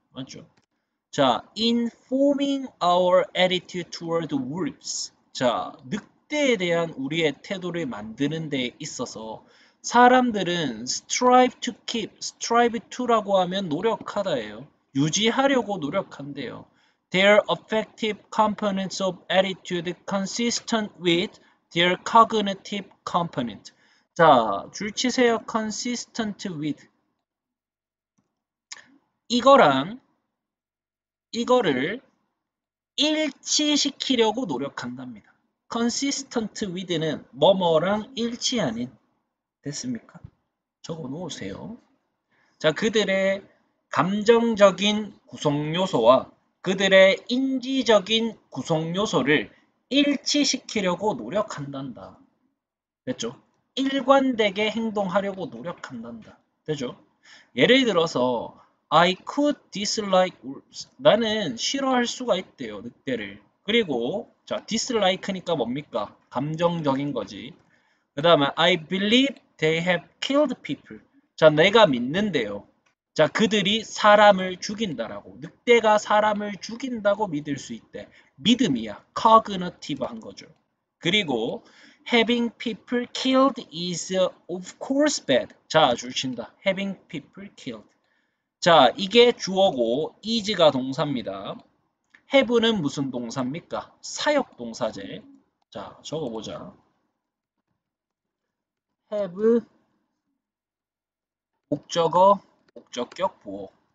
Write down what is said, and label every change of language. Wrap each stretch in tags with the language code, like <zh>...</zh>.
<ko>맞죠?</ko> <en>자, informing our attitude toward words.</en> <ko>자, 늑대에 대한 우리의 태도를 만드는 데 있어서, 사람들은</ko> <en>strive to keep, strive to</en> <ko>라고 하면 노력하다예요. 유지하려고 노력한대요.</ko> <en>Their affective components of attitude consistent with their cognitive component.</en> <ko>자, 줄 치세요. consistent with. 이거랑 이거를 일치시키려고 노력한답니다. consistent with는 뭐뭐랑 일치 아닌. 됐습니까? 적어 놓으세요. 자, 그들의 감정적인 구성 요소와 그들의 인지적인 구성 요소를 일치시키려고 노력한단다. 됐죠? 일관되게 행동하려고 노력한단다. 되죠? 예를 들어서,</ko> <en>I could dislike wolves.</en> <ko>나는 싫어할 수가 있대요, 늑대를. 그리고, 자, dislike니까 뭡니까? 감정적인 거지. 그 다음에,</ko> <en>I believe they have killed people.</en> <ko>자, 내가 믿는데요. 자, 그들이 사람을 죽인다라고. 늑대가 사람을 죽인다고 믿을 수 있대. 믿음이야. cognitive 한 거죠. 그리고,</ko> <en>having people killed is of course bad.</en> <ko>자, 주신다.</ko> <en>having people killed.</en> <ko>자, 이게 주어고, is가 동사입니다. have는 무슨 동사입니까? 사역 동사제. 자, 적어보자. have 목적어 목적격 보호.</ko>